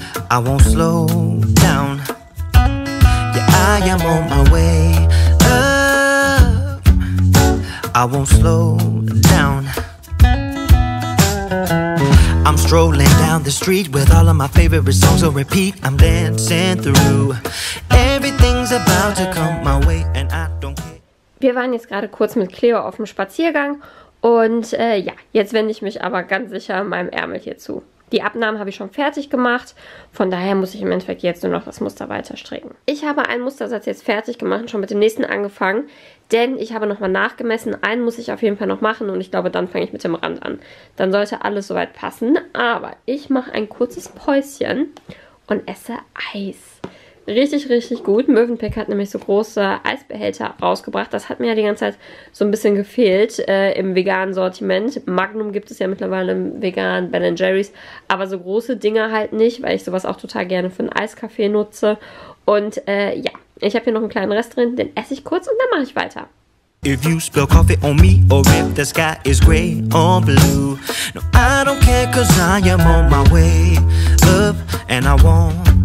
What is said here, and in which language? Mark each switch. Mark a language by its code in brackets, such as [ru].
[en] I won't slow down. Yeah, I am on my way up. I won't slow down. I'm strolling down the street with all of my favorite songs on repeat. I'm dancing through. Everything's about to come my way and I don't care. [de] Wir waren jetzt gerade kurz mit Cleo auf dem Spaziergang und ja, jetzt wende ich mich aber ganz sicher meinem Ärmel hier zu. Die Abnahmen habe ich schon fertig gemacht, von daher muss ich im Endeffekt jetzt nur noch das Muster weiter stricken. Ich habe einen Mustersatz jetzt fertig gemacht und schon mit dem nächsten angefangen, denn ich habe nochmal nachgemessen. Einen muss ich auf jeden Fall noch machen und ich glaube, dann fange ich mit dem Rand an. Dann sollte alles soweit passen, aber ich mache ein kurzes Päuschen und esse Eis. Richtig, richtig gut. Mövenpick hat nämlich so große Eisbehälter rausgebracht. Das hat mir ja die ganze Zeit so ein bisschen gefehlt im veganen Sortiment. Magnum gibt es ja mittlerweile im veganen, Ben & Jerry's. Aber so große Dinger halt nicht, weil ich sowas auch total gerne für einen Eiskaffee nutze. Und ja, ich habe hier noch einen kleinen Rest drin. Den esse ich kurz und dann mache ich weiter. [en] If you spill coffee on me or if the sky is gray or blue. No, I don't care cause I am on my way up and I won't.